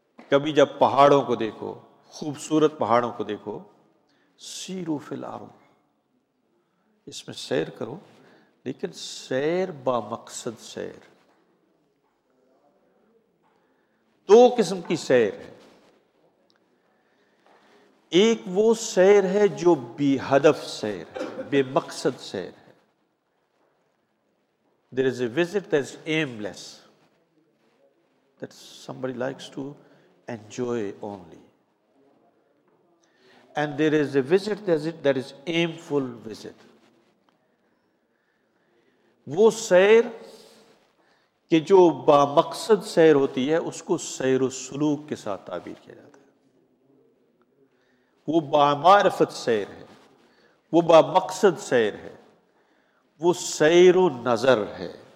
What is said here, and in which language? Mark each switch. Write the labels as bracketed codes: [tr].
[ur] کبھی جب پہاڑوں کو دیکھو, خوبصورت پہاڑوں کو دیکھو, سیرو فی الارض, اس میں سیر کرو, لیکن سیر با مقصد سیر. دو قسم کی سیر ہے. ایک وہ سیر ہے جو بے ہدف سیر ہے, بے مقصد سیر ہے. [en] There is a visit that is aimless, that somebody likes to enjoy only. And there is a visit that is aimful visit. [ur] وہ سیر کہ جو با مقصد سیر ہوتی ہے, اس کو سیر و سلوک کے ساتھ تعبیر کیا جاتا ہے. وہ با معرفت سیر ہے, وہ با مقصد سیر ہے, وہ سیر و نظر ہے.